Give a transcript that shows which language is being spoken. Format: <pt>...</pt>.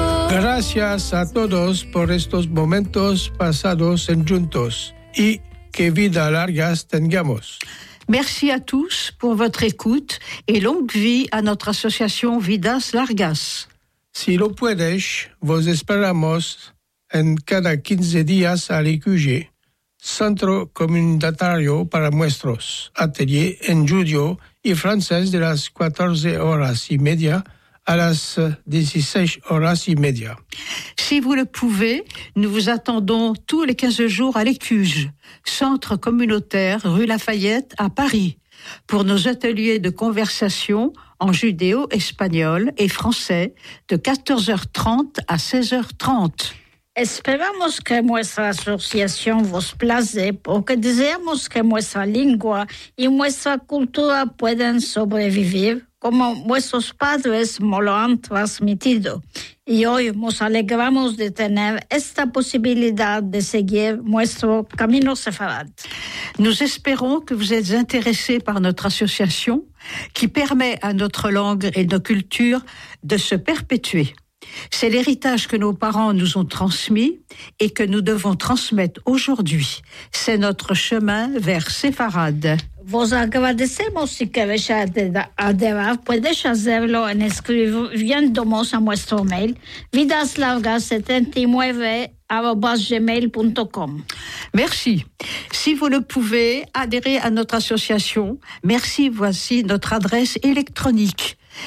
<lad>Gracias a todos por estos momentos pasados en juntos y que vida largas tengamos.</lad> <fr>Merci à tous pour votre écoute et longue vie à notre association Vidas Largas.</fr> <lad>Si lo puedes, vos esperamos en cada 15 días al IQG, Centro Comunitario para Muestros, atelier en judío y francés de las 14:30 à las 16:30.</lad> <fr>Si vous le pouvez, nous vous attendons tous les 15 jours à l'Écuge, centre communautaire rue Lafayette à Paris, pour nos ateliers de conversation en judéo-espagnol et français de 14:30 à 16:30.</fr> <lad>Esperamos que nuestra asociación vos place porque deseamos que nuestra lengua y nuestra cultura puedan sobrevivir como vuestros padres me lo han transmitido. Y hoy nos alegramos de tener esta posibilidad de seguir nuestro camino sefarad.</lad> <fr>Nous espérons que vous êtes intéressés par notre association qui permet à notre langue et nos cultures de se perpétuer. C'est l'héritage que nos parents nous ont transmis et que nous devons transmettre aujourd'hui. C'est notre chemin vers Sefarad.</fr> <lad>Vos agradecemos si queréis adherir. Puedes hacerlo en escribiéndonos a nuestro mail vidaslargas79@gmail.com.</lad> <fr>Merci. Si vous le pouvez, adhérez à notre association. Merci, voici notre adresse électronique.</fr>